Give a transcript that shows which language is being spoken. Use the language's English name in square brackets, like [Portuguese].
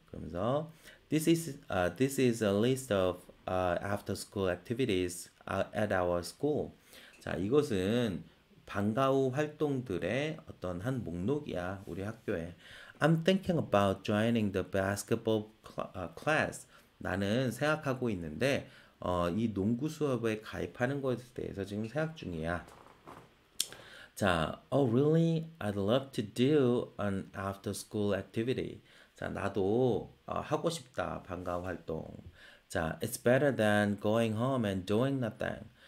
[Korean] 그러면서, [English] this is a list of after-school activities at our school. [Korean] 자, 이것은 방과 후 활동들의 어떤 한 목록이야, 우리 학교에. [English] I'm thinking about joining the basketball class. [Korean] 나는 생각하고 있는데, 이 농구 수업에 가입하는 것에 대해서 지금 생각 중이야. [English] 자, Oh, really? I'd love to do an after-school activity. [Korean] 자, 나도 하고 싶다, 방과 후 활동. [English] 자, It's better than going home and doing nothing.